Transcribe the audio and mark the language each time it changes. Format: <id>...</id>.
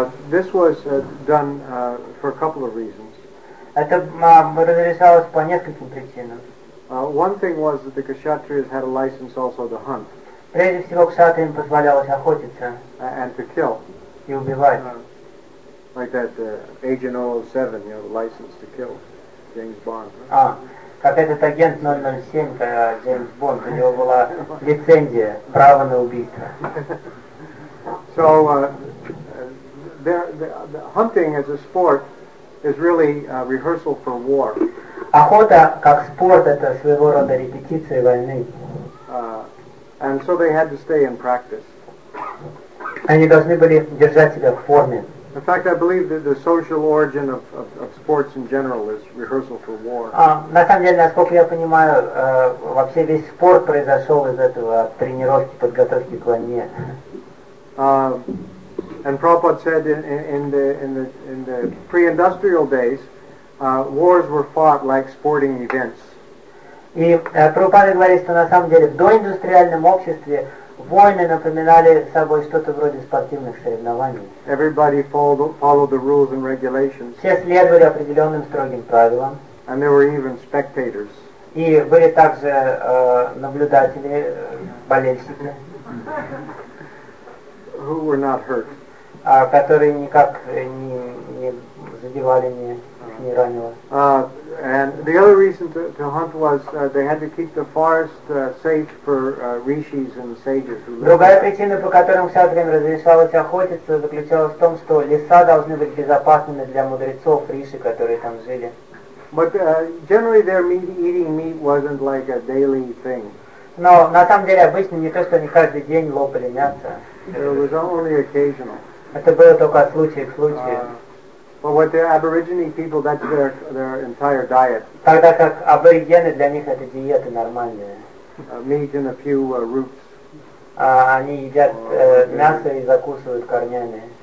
<en>This was done for a couple of reasons.</en> <ru>Это разрешалось по нескольким причинам.</ru> <en>One thing was that the Kshatriyas had a license also to hunt.</en> <ru>Прежде всего, кшатриям позволялось охотиться.</ru> <en>And to kill.</en> <ru>И убивать.</ru> <en>Like that agent 007, you know, the license to kill, James Bond.</en> <ru>А, как этот агент 007, Джеймс Бонд, у него была лицензия, право на убийство.</ru> <en>So, the hunting as a sport is really a rehearsal for war.</en> <ru>Охота как спорт — это своего рода репетиция войны.</ru> <en>And so they had to stay in practice.</en> <ru>Они должны были держать себя в форме.</ru> <en>In fact, I believe that the social origin of sports in general is rehearsal for war.</en> <ru>На самом деле, насколько я понимаю, вообще весь спорт произошел из этого тренировки, подготовки к войне.</ru> <en>And Prabhupada said in the pre-industrial days, wars were fought like sporting events.</en> <ru>И Прабхупада говорит, что на самом деле в доиндустриальном обществе войны напоминали собой что-то вроде спортивных соревнований.</ru> <en>Everybody followed the rules and regulations.</en> <ru>Все следовали определенным строгим правилам.</ru> <en>And there were even spectators.</en> <ru>И были также наблюдатели, болельщики.</ru> <en>Who were not hurt.</en> <ru>Которые никак не задевали, не ранило.</ru> <en>And the other reason to hunt was they had to keep the forest safe for rishis and sages who lived.</en> <ru>Другая причина, по которой кшатриям разрешалось охотиться, заключалась в том, что леса должны быть безопасными для мудрецов, риши, которые там жили.</ru> <en>But generally their eating meat wasn't like a daily thing.</en> <ru>Но на самом деле обычно не то, что они каждый день лопали мясо.</ru> <en>It was only occasional.</en> <ru>Это было только от случая к случаю.</ru> <en>But with the aborigine people, that's their entire diet.</en> <ru>Тогда как аборигены, для них это диета нормальная.</ru> <en>Meat and a few roots.</en> <ru>Они едят мясо и закусывают корнями.</ru>